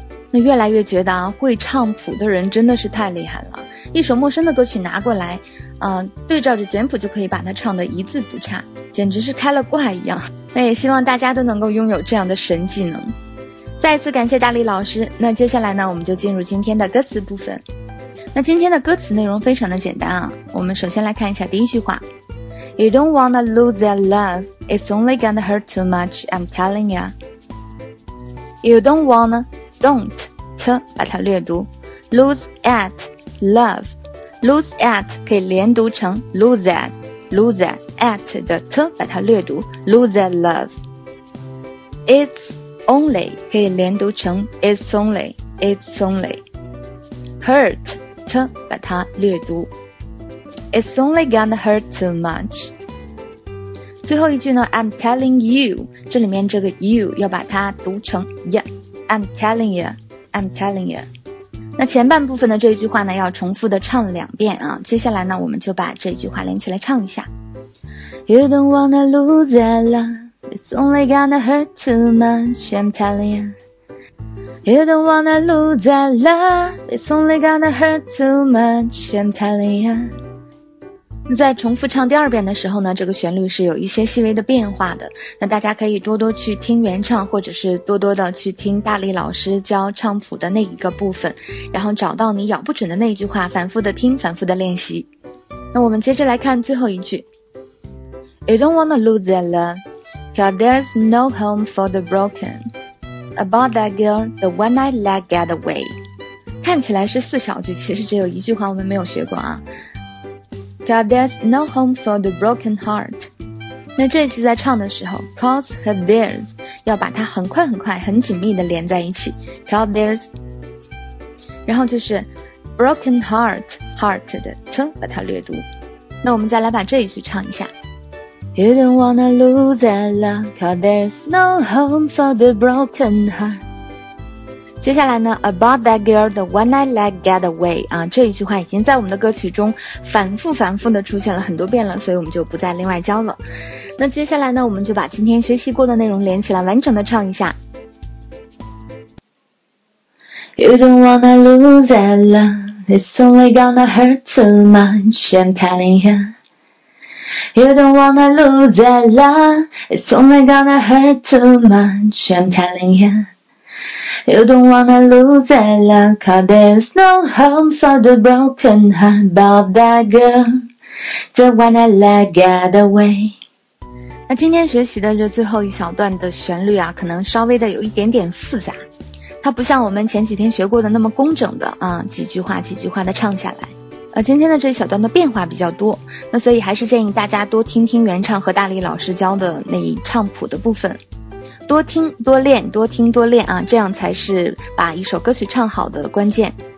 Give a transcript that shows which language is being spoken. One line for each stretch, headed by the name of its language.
Chinese: 那越来越觉得啊，会唱谱的人真的是太厉害了。一首陌生的歌曲拿过来，对照着简谱就可以把它唱得一字不差，简直是开了挂一样。那也希望大家都能够拥有这样的神技能。再次感谢大力老师。那接下来呢，我们就进入今天的歌词部分。那今天的歌词内容非常的简单啊，我们首先来看一下第一句话 ：
English: You don't wanna lose that love, it's only gonna hurt too much, I'm telling ya. You don't wanna, don't, t
Chinese: 把它略读
English: ，lose at. Love, lose at
Chinese: 可以连读成
English: lose at, lose at
Chinese: 的
English: t
Chinese: 把它略读
English: lose at love. It's only
Chinese: 可以连读成
English: it's only, it's only. Hurt t
Chinese: 把它略读
English: it's only gonna hurt too much.
Chinese: 最后一句呢
English: ，I'm telling you
Chinese: 这里面这个
English: you
Chinese: 要把它读成
English: yeah, I'm telling you, I'm telling you.
Chinese: 那前半部分的这一句话呢，要重复的唱两遍啊。接下来呢，我们就把这句话连起来唱一下。
English: You don't wanna lose that love, it's only gonna hurt too much, I'm telling you. You don't wanna lose that love, it's only gonna hurt too much, I'm telling you.
Chinese: 在重复唱第二遍的时候呢，这个旋律是有一些细微的变化的。那大家可以多多去听原唱，或者是多多的去听大力老师教唱谱的那一个部分，然后找到你咬不准的那一句话，反复的听，反复的练习。那我们接着来看最后一句。
English: You don't wanna lose that love, cause there's no home for the broken. About that girl, the one I let get away.
Chinese: 看起来是四小句，其实只有一句话我们没有学过啊。
English: Cause there's no home for the broken heart.
Chinese: 那这句在唱的时候 cause 和 there's 要把它很快很快很紧密的连在一起
English: cause there's
Chinese: 然后就是
English: broken heart heart
Chinese: 的 t 把它略读那我们再来把这一句唱一下
English: You don't wanna lose that love cause there's no home for the broken heart
Chinese: 接下来呢
English: about that girl the one I let get away
Chinese: 啊，这一句话已经在我们的歌曲中反复的出现了很多遍了所以我们就不再另外教了那接下来呢，我们就把今天学习过的内容连起来，完整的唱一下。
English: You don't wanna lose that love, it's only gonna hurt too much, I'm telling you. You don't wanna lose that love, it's only gonna hurt too much, I'm telling you. You don't wanna lose that love, cause there's no home for the broken heart about that girl, the one I let get away.
Chinese: 那今天学习的这最后一小段的旋律啊，可能稍微的有一点点复杂，它不像我们前几天学过的那么工整的啊，几句话几句话的唱下来。今天的这小段的变化比较多，那所以还是建议大家多听听原唱和大力老师教的那一唱谱的部分，多听多练，多听多练啊，这样才是把一首歌曲唱好的关键。